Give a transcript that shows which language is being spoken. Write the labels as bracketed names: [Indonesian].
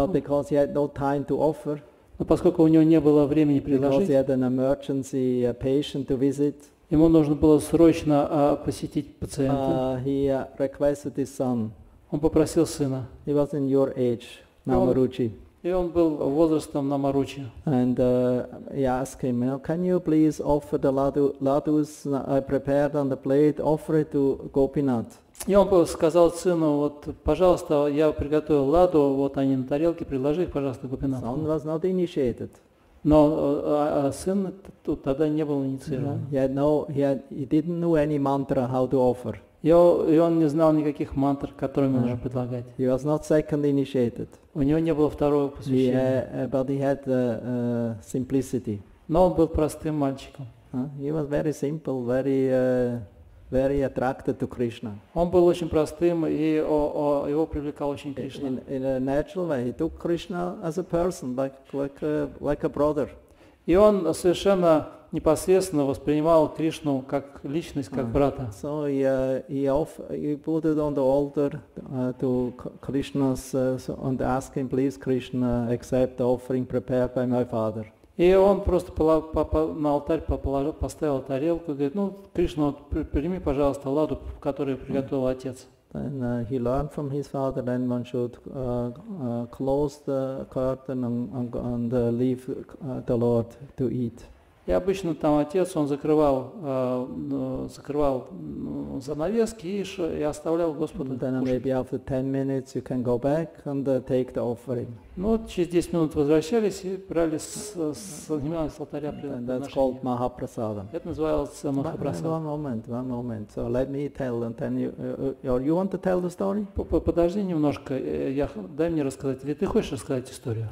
[English] But because he had no time to offer. [Russian] Но поскольку у него не было времени предложить. [English] Because he had an emergency patient to visit. [Russian] Ему нужно было срочно посетить пациента. [English] He requested his son. [Russian] Он попросил сына. [English] He was in your age, Namaruchi. [Russian] И он был возрастом на Маручи. [English] And he asked him, now, can you please offer the ladus I prepared on the plate, offer it to Gopinath? [Russian] И он сказал сыну, вот, пожалуйста, я приготовил ладу, вот они на тарелке, предложи их, пожалуйста, Гопинату. [English] Son was not initiated. [Russian] Но сын тут тогда не был инициирован. [English] He didn't know any mantra how to offer. [Russian] И он не знал никаких мантр, которыми нужно предлагать. [English] He was not second initiated. [Russian] У него не было второго посвящения. [English] But he had simplicity. [Russian] Но он был простым мальчиком. [English] He was very simple, very attracted to Krishna. [Russian] Он был очень простым, и его привлекал очень Кришна. [English] In a natural way, he took Krishna as a person, like a brother. [Russian] И он совершенно непосредственно воспринимал Кришну как личность, как брата. [English] So he put it on the altar to Krishna, and asked him, please, Krishna, accept the offering prepared by my father. [Russian] И он просто на алтарь поставил тарелку и говорит, ну, Кришна, вот, прими, пожалуйста, ладу, которую приготовил отец. [English] Then he learned from his father, then one should close the curtain and leave the Lord to eat. [Russian] И обычно там отец, он закрывал занавески и оставлял Господа кушать. [English] Then maybe after 10 minutes you can go back and take the offering. [Russian] Ну, через 10 минут возвращались и брали с алтаря приношение. [English] That's called Mahaprasadam. [Russian] Это называлось Махапрасадам. [English] One moment. So let me tell, and then you want to tell the story? [Russian] Подожди немножко, дай мне рассказать. Или ты хочешь рассказать историю?